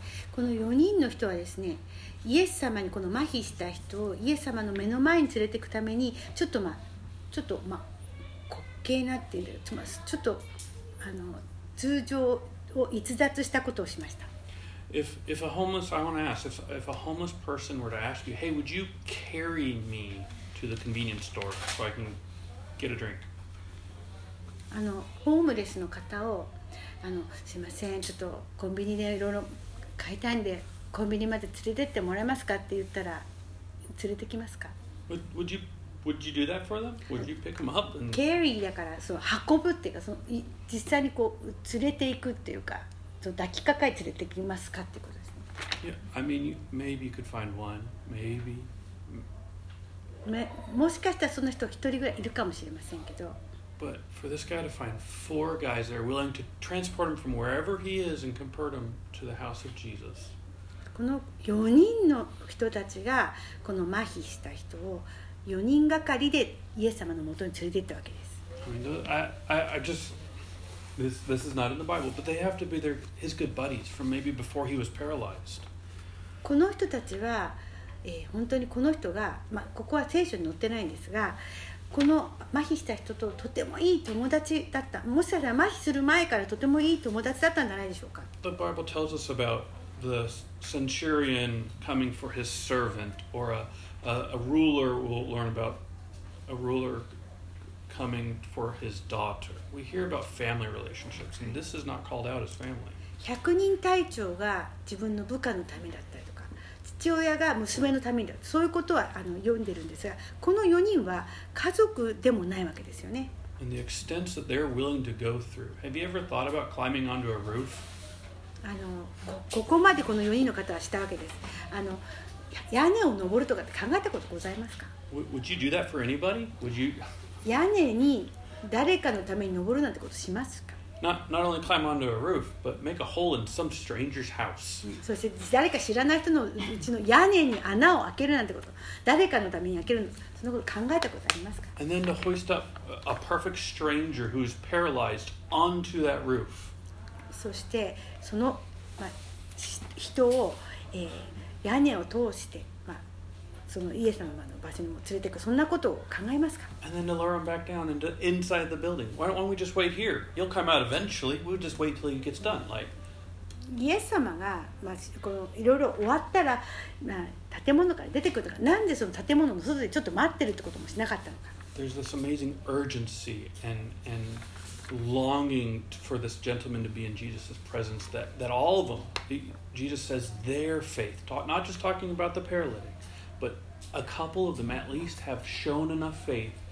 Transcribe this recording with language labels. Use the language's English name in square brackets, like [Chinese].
[Japanese] この4人の人はですね、イエス様にこの麻痺した人をイエス様の目の前に連れていくためにちょっとまあ、滑稽なっていうんだよ、ちょっと通常を逸脱したことをしました。 [English] If a homeless, I want to ask, if a homeless person were to ask you, "Hey, would you carry me to the convenience store so I can get a drink?" [Japanese] あの、ホームレスの方を、あの、すいません、ちょっとコンビニでいろいろ買いたいんで、コンビニまで連れてってもらえますかって言ったら、連れてきますか？ [English] Would you do that for them? Would you pick them up? And... [Japanese] carry だから、そう、運ぶっていうか、その、実際にこう、連れていくっていうか、抱きかかえ連れてきますかってことですね。 [English] Yeah, I mean, maybe you could find one. Maybe. [Japanese] もしかしたらその人一人ぐらいいるかもしれませんけど。 [English] But for this guy to find four guys that are willing to transport him from wherever he is and convert him to the house of Jesus. [Japanese] この4人の人たちがこの麻痺した人を4人がかりでイエス様のもとに連れて行ったわけです。 [English] This is not in the Bible, but they have to be their his good buddies from maybe before he was paralyzed. [Japanese] この人たちは、本当にこの人が、まあ、ここは聖書に載ってないんですが、この麻痺した人ととてもいい友達だった。もしかしたら麻痺する前からとてもいい友達だったんじゃないでしょうか。 [English] The Bible tells us about the centurion coming for his servant, or a ruler. We'll learn about a ruler. Coming for his daughter. We hear about family relationships, and this is not called out as family. [Japanese] 100人隊長が自分の部下のためだったりとか、父親が娘のためだったり、そういうことは読んでるんですが、この4人は家族でもないわけですよね。 [English] And the extents that they're willing to go through. Have you ever thought about climbing onto a roof? [Japanese] ここまでこの4人の方はしたわけです。屋根を登るとかって考えたことございますか？ [English] Would you do that for anybody? Would you... [Japanese] 屋根に誰かのために登るなんてことしますか？ [English] Not only climb onto a roof, but make a hole in some stranger's house. [Japanese] そして誰か知らない人のうちの屋根に穴を開けるなんてこと、誰かのために開けるの、そのこと考えたことありますか？ [English] And then to hoist up a perfect stranger who's paralyzed onto that roof. [Japanese] そしてその、まあ、人を、屋根を通して、まあ、そのイエス様の場所にも連れていく、そんなことを考えますか？ [English] And then to lure him back down into inside the building. Why don't we just wait here? You'll come out eventually. We'll just wait till he gets done. Like, [Japanese] イエス様が、まあ、このいろいろ終わったら、まあ、建物から出てくるとか、なんでその建物の外でちょっと待ってるってこともしなかったのか。 [English] There's this amazing urgency and longing for this gentleman to be in Jesus' presence that all of them, Jesus says their faith, not just talking about the paralytic, but a couple of them at least have shown enough faith.